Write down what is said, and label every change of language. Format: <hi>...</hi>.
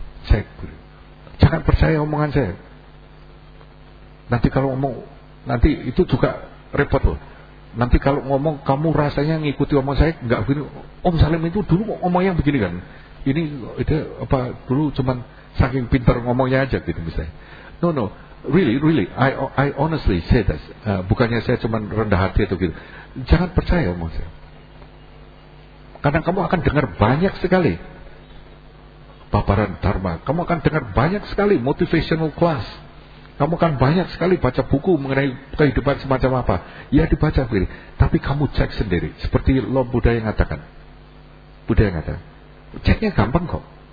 <id>Cek. Jangan percaya omongan saya. Nanti kalau ngomong, nanti itu juga repot loh. Nanti kalau ngomong, kamu rasanya ngikuti omongan saya, enggak begini. Om Salim itu dulu omongnya begini kan. Ini itu apa dulu cuman saking pintar ngomongnya aja gitu misalnya.</id> <en>No, really, I honestly say this.</en> <id>Bukannya saya cuman rendah hati atau gitu. Jangan percaya omongan saya. Kadang kamu akan dengar banyak sekali paparan dharma. Kamu akan dengar banyak sekali</id> <en>motivational class.</en> <id>Kamu akan banyak sekali baca buku mengenai kehidupan semacam apa. Ya dibaca begini. Tapi kamu cek sendiri. Seperti lo Buddha yang katakan. Buddha yang katakan. Ceknya gampang kok.</id>